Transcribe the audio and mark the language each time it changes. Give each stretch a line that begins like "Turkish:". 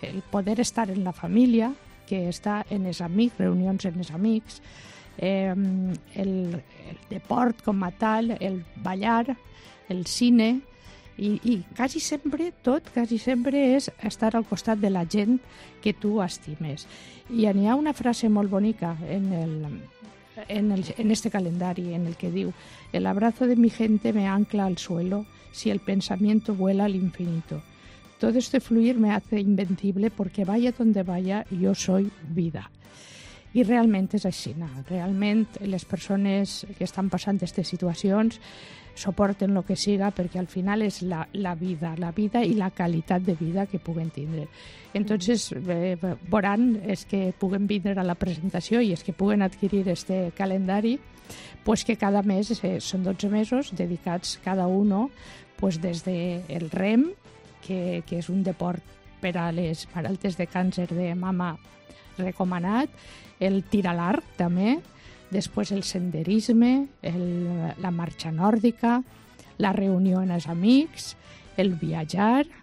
Catalan: poder estar en la família, que està en els amics, reunions en els amics, el deport com a tal, el ballar, el cine i quasi sempre és estar al costat de la gent que tu estimes. I hi ha una frase molt bonica en este calendari, en el que diu:
Spanish: el abrazo de mi gente me ancla al suelo si el pensamiento vuela al infinito. Todo este fluir me hace invencible porque vaya donde vaya, yo soy vida.
Catalan: I realment és així. Realment les persones que estan passant aquestes situacions suporten lo que siga perquè al final és la vida i la qualitat de vida que puguen tindre. Entonces, veuran és que puguen vindre a la presentació i és que puguen adquirir este calendari, pues que cada mes són 12 mesos dedicats
Spanish: cada uno,
Catalan: pues des de el REM, que és un deport per a les malaltes de càncer de mama recomanat, el tir a l'arc també, després el senderisme, la marxa nòrdica, la reunió amb els amics, el viatjar,